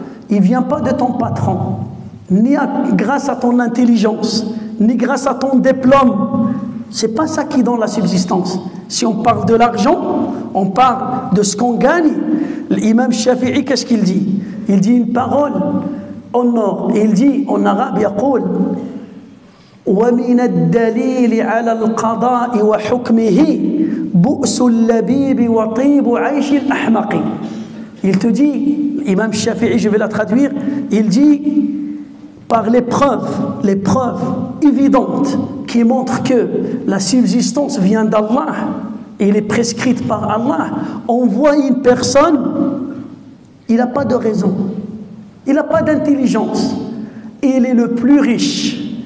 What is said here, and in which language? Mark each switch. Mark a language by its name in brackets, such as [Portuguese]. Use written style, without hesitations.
[French] Il ne vient pas de ton patron, ni grâce à ton intelligence, ni grâce à ton diplôme. Ce n'est pas ça qui donne la subsistance. Si on parle de l'argent, on parle de ce qu'on gagne. L'imam Shafi'i, qu'est-ce qu'il dit? Il dit une parole en or. Il dit en arabe, [Arabic] yaqul, وَمِنَ الدَّلِيلِ عَلَى الْقَضَاءِ وَحُكْمِهِ بُؤْسُ اللَّبِيبِ وَطِيبُ عَيْشِ الْأَحْمَقِ. [French] Il te dit, l'imam Shafi'i, je vais la traduire, il dit, par les preuves évidentes qui montrent que la subsistance vient d'Allah, et il est prescrite par Allah, on voit une personne, il n'a pas de raison, il n'a pas d'intelligence, et il est le plus riche.